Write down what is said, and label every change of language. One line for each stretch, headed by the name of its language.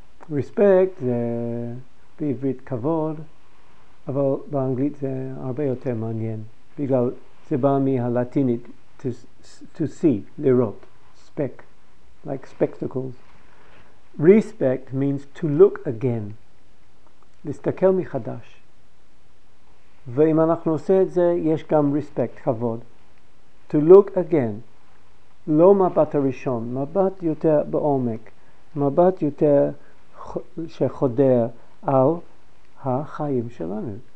Hebrew: Respect זה בעברית כבוד, אבל באנגלית זה הרבה יותר מעניין, בגלל זה בא מהלטינית
English: to see,
Hebrew: לראות, spec,
English: like spectacles. Respect means to look again.
Hebrew: להסתכל מחדש. ואם אנחנו עושה את זה, יש גם respect, כבוד.
English: To look again.
Hebrew: לא מבט הראשון, מבט יותר בעומק. מבט יותר שחודר על החיים שלנו.